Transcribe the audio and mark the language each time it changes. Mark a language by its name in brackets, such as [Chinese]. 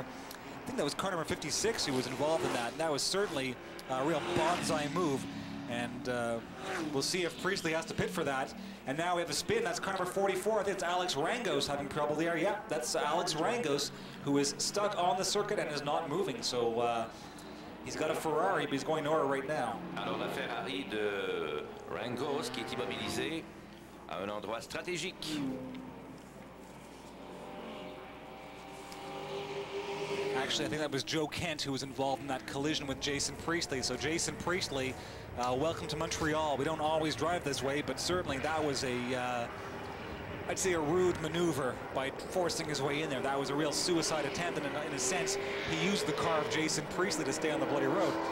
[English] I think that was car number 56 who was involved in that, and that was certainly a real bonsai move. And we'll see if Priestley has to pit for that. And now we have a spin. That's car number 44. It's Alex Rangos having trouble there. Yeah, that's Alex Rangos, who is stuck on the circuit and is not moving. So he's got a Ferrari, but he's going nowhere right now. [French] Alors la Ferrari de Rangos qui est immobilisée à un endroit stratégique. [English] Actually, I think that was Joe Kent who was involved in that collision with Jason Priestley. So, Jason Priestley, welcome to Montreal. We don't always drive this way, but certainly that was a, I'd say, a rude maneuver by forcing his way in there. That was a real suicide attempt, and in a sense, he used the car of Jason Priestley to stay on the bloody road.